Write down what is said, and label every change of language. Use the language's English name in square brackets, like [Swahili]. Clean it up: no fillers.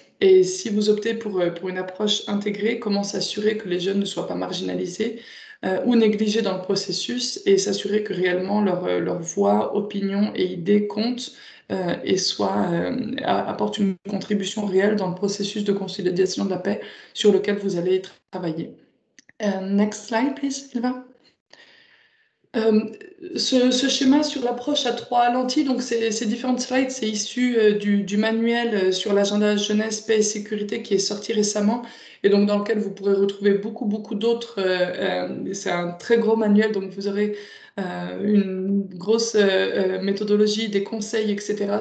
[French] Et si vous optez pour une approche intégrée, comment s'assurer que les jeunes ne soient pas marginalisés ou négligés dans le processus et s'assurer que réellement leur voix, opinion et idées comptent et apportent une contribution réelle dans le processus de consolidation de la paix sur lequel vous allez travailler? [English] Next slide, please, Sylvain. [French] Ce schéma sur l'approche à trois lentilles, donc ces différentes slides, c'est issu du manuel sur l'agenda jeunesse, paix et sécurité qui est sorti récemment et donc dans lequel vous pourrez retrouver beaucoup, beaucoup d'autres. C'est un très gros manuel, donc vous aurez une grosse méthodologie, des conseils, etc.